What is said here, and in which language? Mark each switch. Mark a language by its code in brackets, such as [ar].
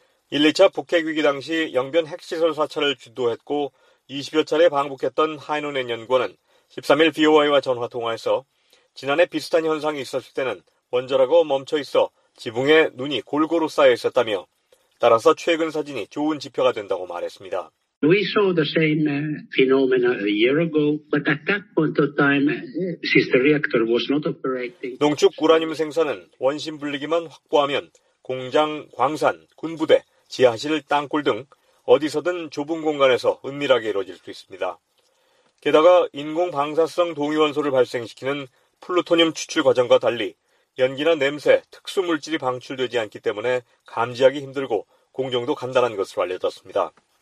[ko] 1, 2차 북핵 위기 당시 영변 핵시설 사찰을 주도했고 20여 차례 방북했던 하이노넨 연구원은 13일 BOI와 전화 통화에서 지난해 비슷한 현상이 있었을 때는 원자로가 멈춰 있어 지붕에 눈이 골고루 쌓여 있었다며 따라서 최근 사진이 좋은 지표가 된다고 말했습니다. [en] We saw the same phenomena a year ago, but at that point of time, since the reactor was not operating. [ko] 농축 우라늄 생산은 원심 분리기만 확보하면 공장, 광산, 군부대, 지하실, 땅굴 등 어디서든 좁은 공간에서 은밀하게 이루어질 수 있습니다. 게다가 인공 방사성 동위원소를 발생시키는 플루토늄 추출 과정과 달리 연기나 냄새, 특수 물질이 방출되지 않기 때문에 감지하기 힘들고 공정도 간단한 것으로 알려졌습니다.